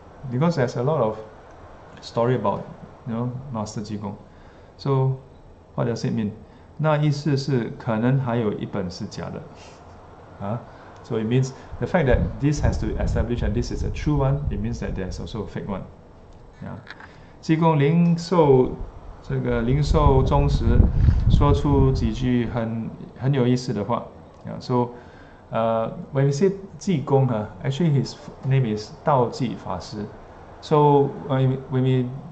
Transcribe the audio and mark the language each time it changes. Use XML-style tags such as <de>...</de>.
<en>Because there's a lot of story about, you know, Master 济公. So what does it mean?</en> <zh>那意思是可能还有一本是假的.</zh> <en>So it means the fact that this has to establish that this is a true one, it means that there's also a fake one.</en> <zh>Yeah. 济公临寿终时说出几句很有意思的话.Yeah.</zh> <en>So when we say 济公, actually his name is 道济法师. So when we</en>